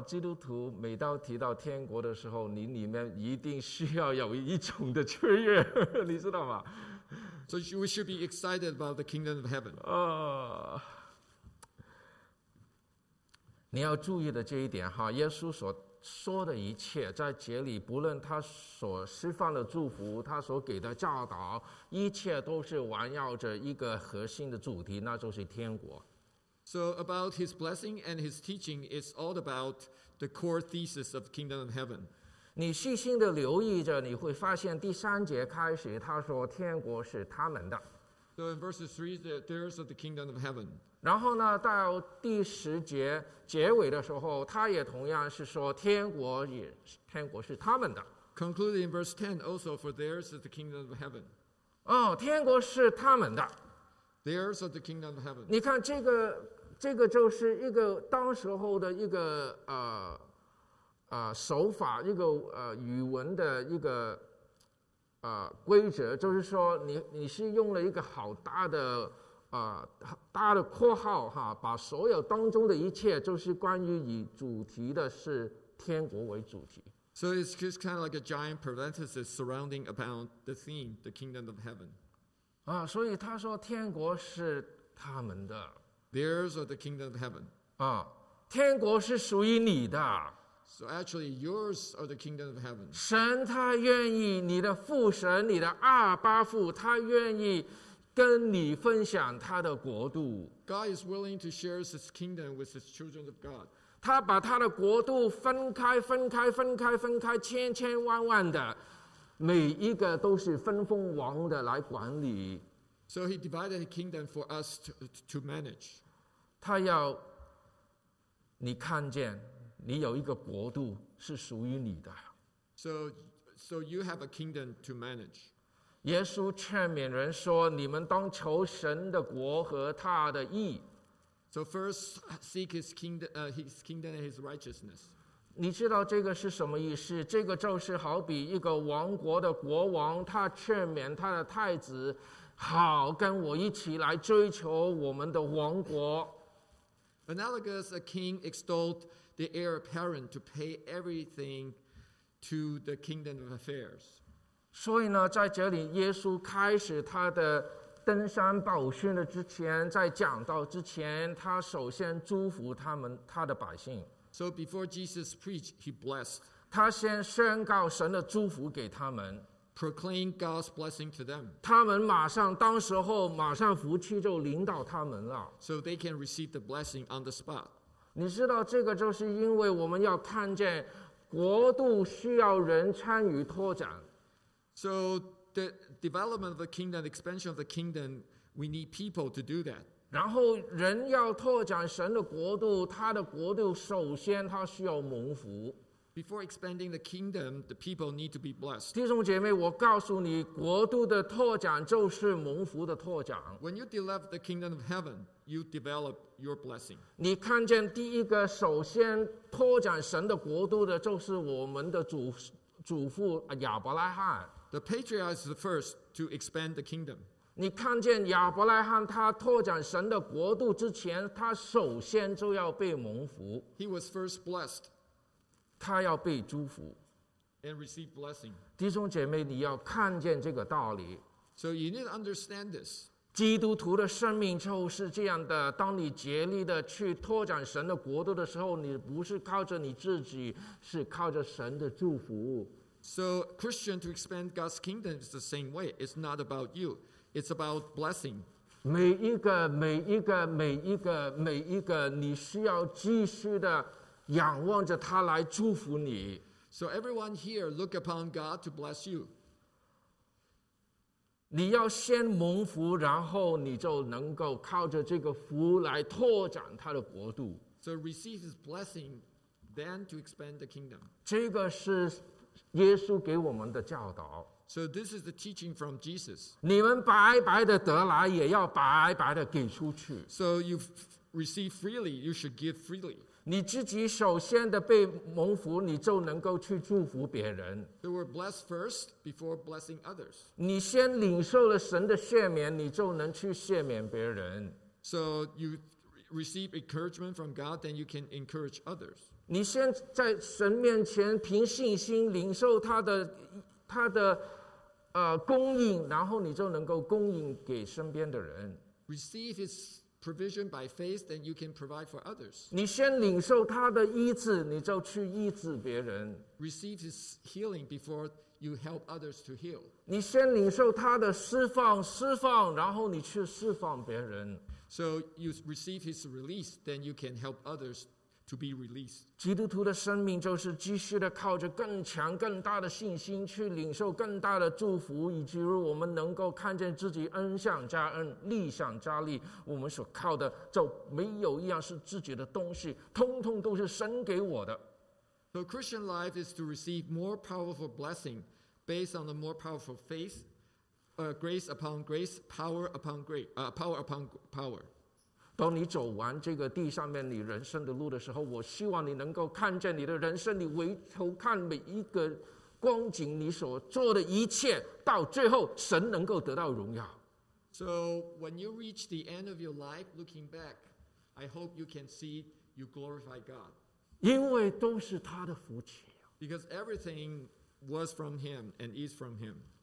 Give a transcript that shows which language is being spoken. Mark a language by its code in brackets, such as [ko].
[zh] 基督徒每到提到天国的时候，你里面一定需要有一种的雀跃，你知道吗？ [en] So we should be excited about the kingdom of heaven. [zh] 你要注意的这一点哈，耶稣所说的一切在这里，不论他所释放的祝福，他所给的教导，一切都是环绕着一个核心的主题，那就是天国。 [en] So about his blessing and his teaching is all about the core thesis of kingdom of heaven. [zh] 你细心的留意着，你会发现第三节开始，他说天国是他们的。 [en] So in verses 3, there's the kingdom of heaven. [zh] 然后呢，到第十节结尾的时候，他也同样是说天国是他们的。 [en] Concluded in verse 10, also for theirs is the kingdom of heaven. [zh] 天国是他们的。 [en] Theirs is the kingdom of heaven. [zh] 你看这个就是一个当时候的一个手法，一个语文的一个规则，就是说你是用了一个好大的大的括号哈，把所有当中的一切，就是关于以主题的是天国为主题。 [en] So it's just kind of like a giant parenthesis surrounding about the theme, the kingdom of heaven. [zh] 所以他说天国是他们的。 [en] Theirs are the kingdom of heaven. [zh] 天国是属于你的。 [en] So actually, yours are the kingdom of heaven. [zh] 神他愿意，你的父神，你的阿巴父，他愿意跟你分享他的国度。 [en] God is willing to share his kingdom with his children of God. [zh] 他把他的国度分开，分开，分开，分开，千千万万的，每一个都是分封王的来管理。 [en] So he divided his kingdom for us to manage. [zh] 他要你看见。你有一个国度是属于你的。 [en] So you have a kingdom to manage. [zh] 耶稣劝勉人说，你们当求神的国和他的义。 [en] So first seek his kingdom and his righteousness. [zh] 你知道这个是什么意思？这个就是好比一个王国的国王，他劝勉他的太子，好跟我一起来追求我们的王国。 [en] Analogous, a king extolled the heir apparent to pay everything to the kingdom of affairs. [zh] 所以呢，在这里，耶稣开始他的登山宝训的之前，在讲道之前，他首先祝福他们他的百姓。 [en] So before Jesus preached, he blessed. [zh] 他先宣告神的祝福给他们。 [en] Proclaim God's blessing to them. [zh] 他们马上当时候马上福气就临到他们了。 [en] So they can receive the blessing on the spot. [zh] 你知道这个就是因为我们要看见国度需要人参与拓展。 [en] So the development of the kingdom, the expansion of the kingdom, we need people to do that. [zh] 然后人要拓展神的国度，他的国度首先他需要蒙福。 [en] Before expanding the kingdom, the people need to be blessed. [zh] 弟兄姐妹，我告诉你，国度的拓展就是蒙福的拓展。 [en] When you develop the kingdom of heaven, you develop your blessing. [zh] 你看见第一个首先拓展神的国度的，就是我们的祖父亚伯拉罕。 [en] The patriarch is the first to expand the kingdom. [zh] 你看见亚伯拉罕他拓展神的国度之前，他首先就要被蒙福。 [en] He was first blessed. [zh] 他要被祝福 [en] and receive blessing. [zh] 弟兄姐妹，你要看见这个道理。 [en] So you need to understand this. [zh] 基督徒的生命就是这样的，当你竭力的去拓展神的国度的时候，你不是靠着你自己，是靠着神的祝福。 [en] So Christian, to expand God's kingdom is the same way. It's not about you. It's about blessing. [zh] 每一个你需要继续的仰望着他来祝福你。 [en] So everyone here, look upon God to bless you. [zh] 你要先蒙福，然后你就能够靠着这个福来拓展他的国度。 [en] So receive his blessing, then to expand the kingdom. [zh] 这个是耶稣给我们的教导。 [en] So this is the teaching from Jesus. [zh] 你们白白的得来，也要白白的给出去。 [en] So you receive freely, you should give freely. [zh] 你自己首先的被蒙福，你就能够去祝福别人。 [en] They were blessed first before blessing others. [zh] 你先领受了神的赦免，你就能去赦免别人。 [en] So you receive encouragement from God, then you can encourage others. [zh] 你先在神面前凭信心领受他的供应，然后你就能够供应给身边的人。 [en] Receive his. Provision by faith, then you can provide for others. [zh] 你先领受他的医治，你就去医治别人。 [en] Receive his healing before you help others to heal. [zh] 你先领受他的释放，然后你去释放别人。 [en] So you receive his release, then you can help others to be released. [zh] 基督徒的生命就是继续的靠着更强、更大的信心去领受更大的祝福，以及我们能够看见自己恩上加恩、力上加力。我们所靠的就没有一样是自己的东西，通通都是神给我的。 [en] So Christian life is to receive more powerful blessing based on the more powerful faith, grace upon grace, power upon grace, power upon power. [zh] 当你走完这个地上面你人生的路的时候，我希望你能够看见你的人生，你回头看每一个光景，你所做的一切，到最后神能够得到荣耀。 [en] So when you reach the end of your life, looking back, I hope you can see you glorify God. [zh] 因为都是他的福气。 [en] Because everything was from him and is from him.